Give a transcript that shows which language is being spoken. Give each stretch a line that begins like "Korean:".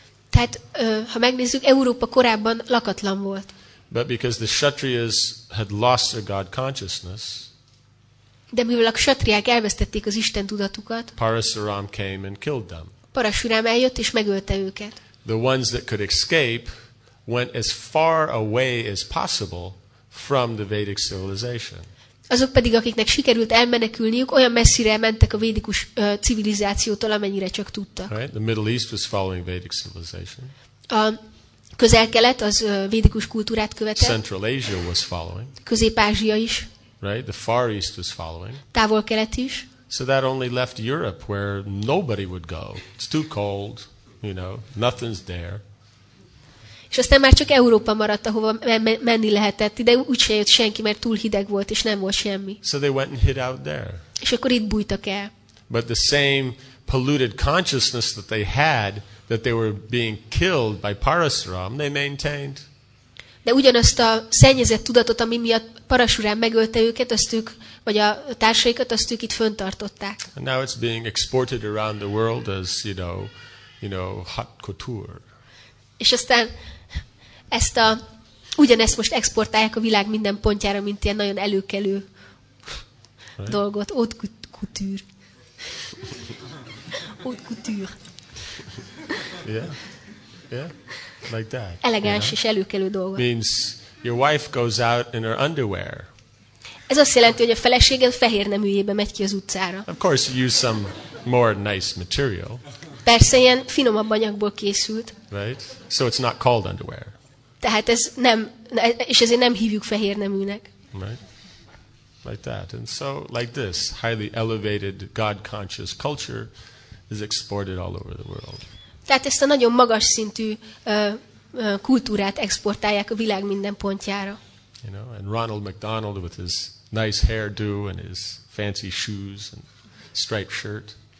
Hungarian: Tehát, ha megnézzük, Európa korábban lakatlan volt.
English: But because the kshatriyas had lost their god consciousness.
Hungarian: De mivel a kshatriák elvesztették az Isten tudatukat.
English: Parasuram came and killed them.
Hungarian: Parasuram eljött és megölte őket.
English: The ones that could escape went as far away as possible from the Vedic civilization.
Hungarian: Azok pedig, akiknek sikerült elmenekülniük, olyan messzire mentek a védikus civilizációtól, amennyire csak tudtak.
English: Right? The Middle East was following Vedic civilization.
Hungarian: A Közel-Kelet az védikus kultúrát követett.
English: Central Asia was following.
Hungarian: Közép-Ázsia is.
English: Right? The Far East was following.
Hungarian: Távol-Kelet is.
English: So that only left Europe where nobody would go. It's too cold, you know, nothing's there.
Hungarian: És aztán már csak Európa maradt, ahova menni lehetett, de úgy se jött senki, mert túl hideg volt, és nem volt semmi.
English: So they went and hid out there.
Hungarian: És akkor itt bújtak el.
English: But the same polluted consciousness that they had, that they were being killed by Parasuram, they maintained.
Hungarian: De ugyanazt a szennyezett tudatot, ami miatt Parasuram megölte őket, azt ők, vagy a társaikat, azt ők itt fönntartották.
English: And now it's being exported around the world as, you know, hot couture.
Hungarian: És aztán ugyanezt most exportálják a világ minden pontjára, mint ilyen nagyon előkelő dolgot.
French: Haute couture. Haute couture.
English: Yeah. Yeah. Like that.
Hungarian: Elegáns és előkelő dolgot.
English: Means your wife goes out in her underwear.
Hungarian: Ez azt jelenti, hogy a feleséged fehér neműjébe megy ki az utcára.
English: Of course you use some more nice material.
Hungarian: Persze, ilyen finomabb anyagból készült.
English: Right? So it's not called underwear.
Hungarian: Tehát ez nem, és ezért nem hívjuk fehér neműnek.
English: Right? Like that. And so, like this, highly elevated, God-conscious culture is exported all over the world.
Hungarian: Tehát ezt a nagyon magas szintű kultúrát exportálják a világ minden pontjára.
English: You know, and Ronald McDonald with his nice hairdo and his fancy shoes and striped shirt.